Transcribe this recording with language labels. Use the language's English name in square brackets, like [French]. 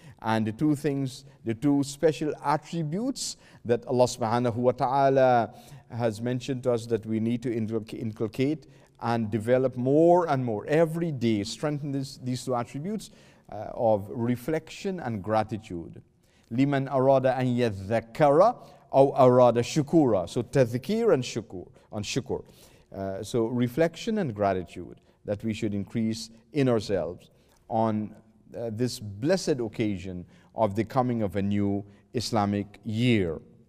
[English] And the two things, the two special attributes that Allah subhanahu wa ta'ala has mentioned to us that we need to inculcate and develop more and more every day, strengthen these two attributes of reflection and gratitude. [Arabic] لِمَنْ أَرَادَ أَنْ يَذَّكَّرَ أَوْ أَرَادَ شُكُورَ. [English] So tazkir and shukur. So reflection and gratitude that we should increase in ourselves on this blessed occasion of the coming of a new Islamic year.